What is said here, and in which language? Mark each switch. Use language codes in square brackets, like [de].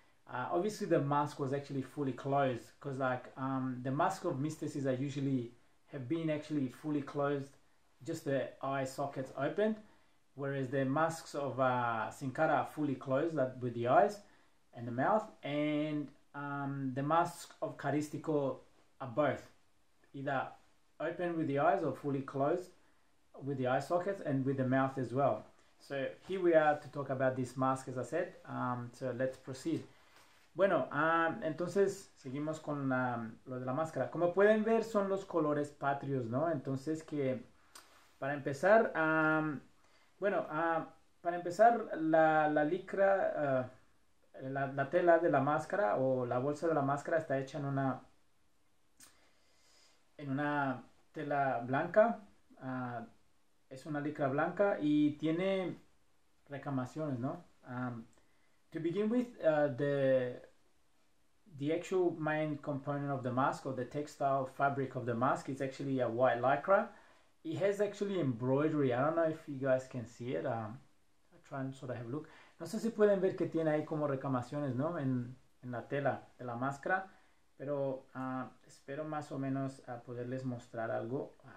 [en] Obviously, the mask was actually fully closed because, like, the mask of Mysticism are usually have been actually fully closed, just the eye sockets opened, whereas the masks of Sin Cara are fully closed, that with the eyes and the mouth, and the masks of Carístico are both either open with the eyes or fully closed with the eye sockets and with the mouth as well. So here we are to talk about this mask, as I said. So let's proceed. [es] Bueno, entonces seguimos con lo de la máscara. Como pueden ver, son los colores patrios, ¿no? Entonces que, para empezar, para empezar, la licra, la tela de la máscara o la bolsa de la máscara está hecha en una tela blanca. Es una licra blanca y tiene recamaciones, ¿no? [en] To begin with, the actual main component of the mask, or the textile fabric of the mask, is actually a white lycra. It has actually embroidery. I don't know if you guys can see it. I'll try and sort of have a look. [es] No sé si pueden ver que tiene ahí como recamaciones, ¿no? En la tela de la máscara. Pero espero más o menos a poderles mostrar algo.